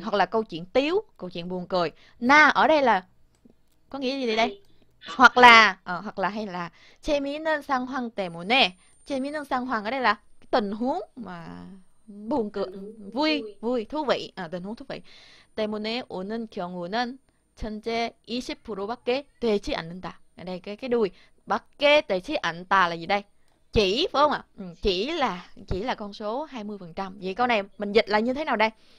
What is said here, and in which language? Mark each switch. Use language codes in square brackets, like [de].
[vi] hoặc là câu chuyện tiếu, câu chuyện buồn cười. Na ở đây là có nghĩa gì đây? Hay, hoặc Hoặc là là hoặc là hay là [ko] 재미있는 상황 때문에. 재미있는 상황 [vi] ở đây là tình huống mà buồn cười, tình huống vui vui. vui thú vị, tình huống thú vị. [ko] 때문에 오는 경우는 전체 20%밖에 되지 않는다. [vi] Ở đây cái đuôi [ko] 밖에 되지 않다 [vi] là gì đây? Chỉ phải không ạ? Chỉ là con số 20%. Vậy câu này mình dịch là như thế nào đây?